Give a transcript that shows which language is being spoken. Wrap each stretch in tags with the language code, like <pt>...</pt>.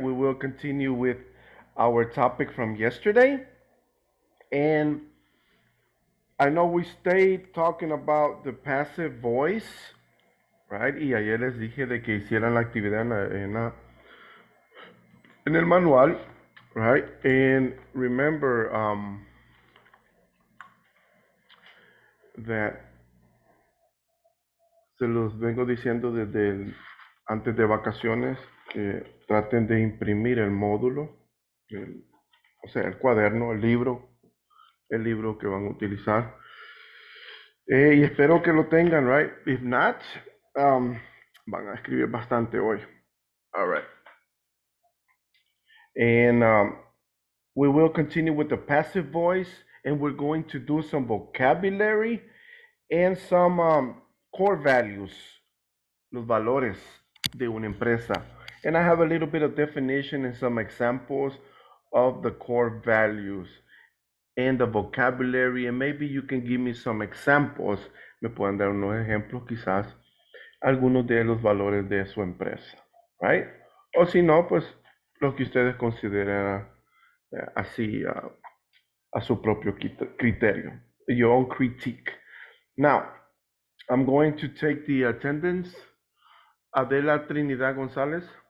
<en>We will continue with our topic from yesterday. And I know we stayed talking about the passive voice. Right.</en> <es>Y ayer les dije de que hicieran la actividad en el manual, right?</es> <en>And remember that</en> <es>se los vengo diciendo desde antes de vacaciones que traten de imprimir el módulo, o sea, el cuaderno, el libro que van a utilizar. Y espero que lo tengan, right?</es> <en>If not,</en> <es>van a escribir bastante hoy. All right.</es> <en>And we will continue with the passive voice, and we're going to do some vocabulary and some core values,</en> <es>los valores de una empresa.</es> <en>And I have a little bit of definition and some examples of the core values and the vocabulary, and maybe you can give me some examples.</en> <es>Me pueden dar unos ejemplos, quizás, algunos de los valores de su empresa, right? O si no, pues, lo que ustedes consideran así a su propio criterio,</es> <en>your own critique. Now, I'm going to take the attendance. Adela Trinidad González.</en>